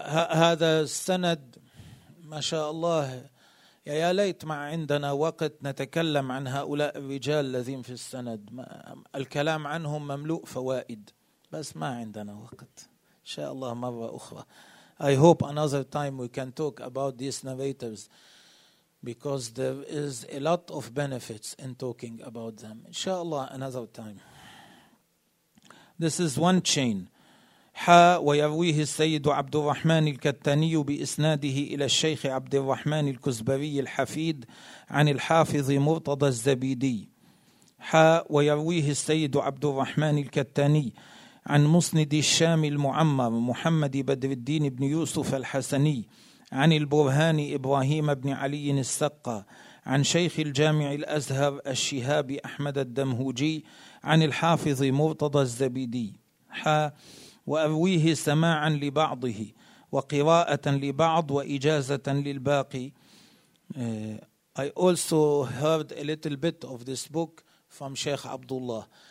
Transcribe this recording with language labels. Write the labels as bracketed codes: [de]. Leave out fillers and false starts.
[ar] هذا السند ما شاء الله. يا ليت ما عندنا وقت نتكلم عن هؤلاء الرجال الذين في السند. الكلام عنهم مملوء فوائد بس ما عندنا وقت. إن شاء الله مرة أخرى. [en] I hope another time we can talk about these narrators because there is a lot of benefits in talking about them. Inshallah, another time. This is one chain. [ar] حا ويرويه السيد عبد الرحمن الكتاني بإسناده إلى الشيخ عبد الرحمن الكزبري الحفيد عن الحافظ مرتضى الزبيدي. حا ويرويه السيد عبد الرحمن الكتاني عن مسند الشام المعمر محمد بدر الدين بن يوسف الحسني عن البرهان إبراهيم بن علي السقة عن شيخ الجامع الأزهر الشهاب أحمد الدمهوجي عن الحافظ مرتضى الزبيدي ح وأرويه سماعا لبعضه وقراءة لبعض وإجازة للباقي. [en] I also heard a little bit of this book from Sheikh Abdullah.